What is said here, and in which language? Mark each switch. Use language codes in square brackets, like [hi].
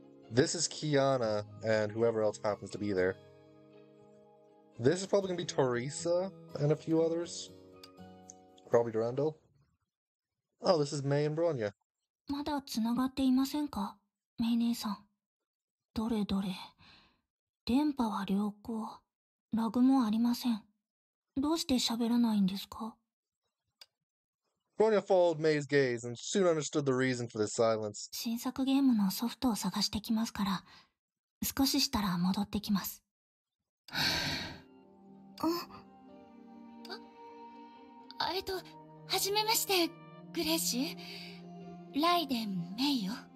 [en] This is Kiana and whoever else happens to be there. This is probably going to be Teresa and a few others. Probably Durandal. Oh, this is Mei and Bronya. [ja] まだつながっていませんか、メイ姉さん。どれどれ。電波は良好。ラグもありません。どうして喋らないんですか？ [en] Bronya followed May's gaze and soon understood the reason for this silence. [ja] 新作ゲームのソフトを探してきますから、少ししたら戻ってきます。はじめまして、グレイシー。ライデン・メイよ。